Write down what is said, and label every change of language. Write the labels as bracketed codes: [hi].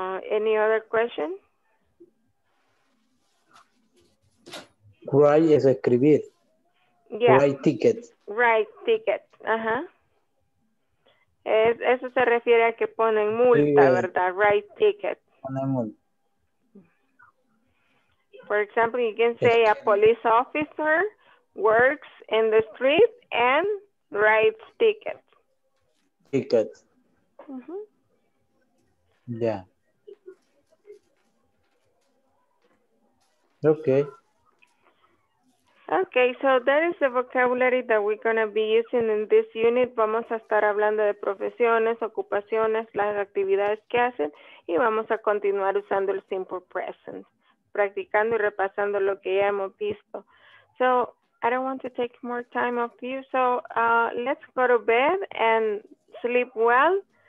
[en] Any other question? [es] Write es escribir. [en] Yeah. Write ticket. Write ticket. Ajá. [es] Eso se refiere a que ponen multa, sí, ¿verdad? [en] Write ticket. [es] Ponen multa. [en] For example, you can say a police officer works in the street and writes ticket. Ticket. Mm-hmm. Yeah. Okay. Okay, so that is the vocabulary that we're going to be using in this unit. [es] Vamos a estar hablando de profesiones, ocupaciones, las actividades que hacen, y vamos a continuar usando el simple present, practicando y repasando lo que ya hemos visto. [en] So, I don't want to take more time of you, so let's go to bed and sleep well.